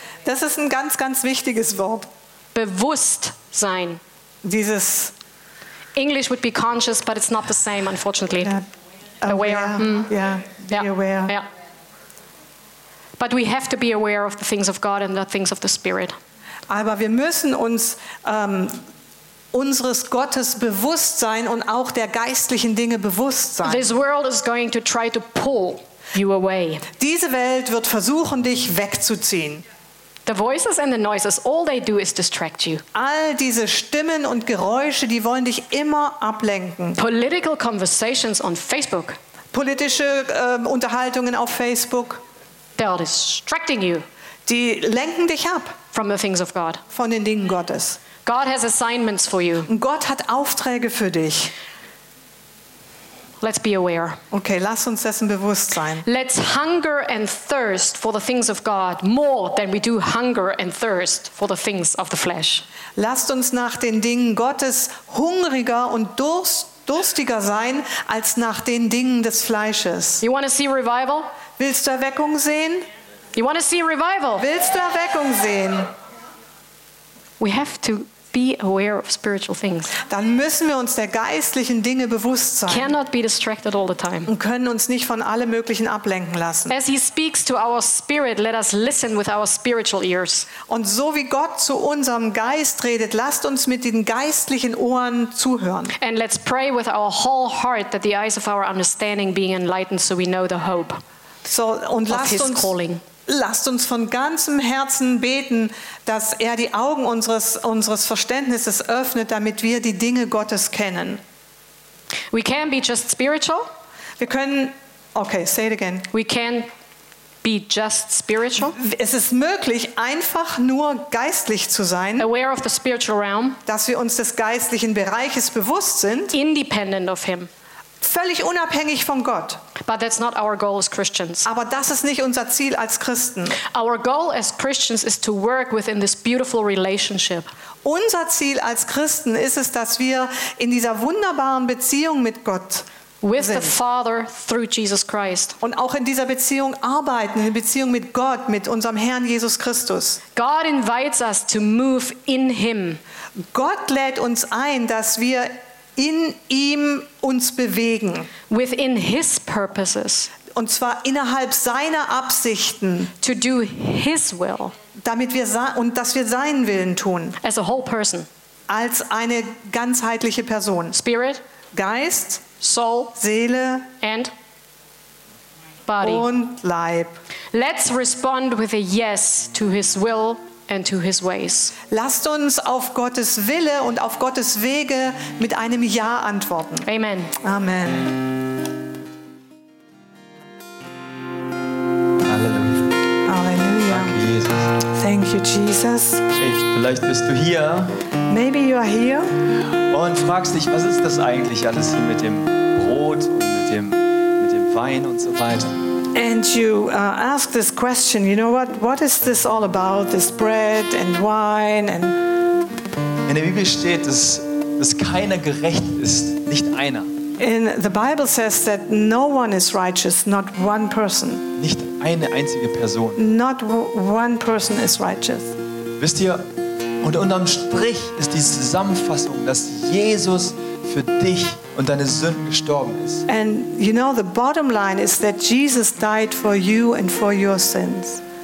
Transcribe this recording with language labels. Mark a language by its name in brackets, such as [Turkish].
[German] Das ist ein ganz, ganz wichtiges Wort. Bewusstsein. Dieses [English] English would be conscious, but it's not the same, unfortunately. Aware. Yeah, be aware. Yeah. But we have to be aware of the things of God and the things of the Spirit. [German] Aber wir müssen uns unseres Gottes bewusst sein und auch der geistlichen Dinge bewusst sein. [English] This world is going to try to pull you away. [German] Diese Welt wird versuchen, dich wegzuziehen. [English] The voices and the noises, all they do is distract you. [German] All diese Stimmen und Geräusche, die wollen dich immer ablenken. [English] Political conversations on Facebook. [German] Politische Unterhaltungen auf Facebook. [English] They are distracting you. [German] Die lenken dich ab. [English] From the things of God. [German] Von den Dingen Gottes. [English] God has assignments for you. [German] Gott hat Aufträge für dich. [English] Let's be aware. [German] Okay, lass uns dessen bewusst sein. [English] Let's hunger and thirst for the things of God more than we do hunger and thirst for the things of the flesh. [German] Lasst uns nach den Dingen Gottes hungriger und durstiger sein als nach den Dingen des Fleisches. [English] You want to see revival? [German] Willst du Erweckung sehen? [English] You want to see revival? [German] Willst du Erweckung sehen? [English] We have to be aware of spiritual things. [German] Dann müssen wir uns der geistlichen Dinge bewusst sein. [English] Cannot be distracted all the time. [German] Und können uns nicht von allem Möglichen ablenken lassen. [English] As he speaks to our spirit, let us listen with our spiritual ears. [German] Und so wie Gott zu unserem Geist redet, lasst uns mit den geistlichen Ohren zuhören. [English] And let's pray with our whole heart that the eyes of our understanding being enlightened so we know the hope. [German] So und lasst uns von ganzem Herzen beten, dass er die Augen unseres Verständnisses öffnet, damit wir die Dinge Gottes kennen. [English] We can be just spiritual. [German] Wir können, [English] okay, say it again. We can be just spiritual. [German] Es ist möglich, einfach nur geistlich zu sein. [English] Aware of the spiritual realm. [German] Dass wir uns des geistlichen Bereiches bewusst sind. [English] Independent of him. [German] Völlig unabhängig von Gott. [English] But that's not our goal as Christians. [German] Aber das ist nicht unser Ziel als Christen. [English] Our goal as Christians is to work within this beautiful relationship. [German] Unser Ziel als Christen ist es, dass wir in dieser wunderbaren Beziehung mit Gott [English] with [German] sind. [English] The Father through Jesus Christ. [German] Und auch in dieser Beziehung arbeiten, in Beziehung mit Gott, mit unserem Herrn Jesus Christus. [English] God invites us to move in him. [German] Gott lädt uns ein, dass wir in ihm uns bewegen. [English] Within his purposes. [German] Und zwar innerhalb seiner Absichten. [English] To do his will. [German] Damit wir und dass wir seinen Willen tun. [English] As a whole person. [German] Als eine ganzheitliche Person. [English] Spirit. [German] Geist. [English] Soul. [German] Seele. [English] And body. [German] Und Leib. [English] Let's respond with a yes to his will. And to his ways. [German] Lasst uns auf Gottes Wille und auf Gottes Wege mit einem Ja antworten. Amen. Amen. Halleluja. Halleluja. Danke, Jesus. [English] Thank you, Jesus. [German] Vielleicht bist du hier. [English] Maybe you are here. [German] Und fragst dich, was ist das eigentlich alles hier mit dem Brot und mit dem Wein und so weiter? [English] And you ask this question, you know what is this all about, this bread and wine and... [German] In der Bibel steht, dass keiner gerecht ist, nicht einer. [English] In the Bible says that no one is righteous, not one person. [German] Nicht eine einzige Person. [English] Not one person is righteous. [German] Wisst ihr, und unterm Strich ist die Zusammenfassung, dass Jesus für dich und deine Sünden gestorben ist. [English] And you know the bottom line is that Jesus died for you and for your sins.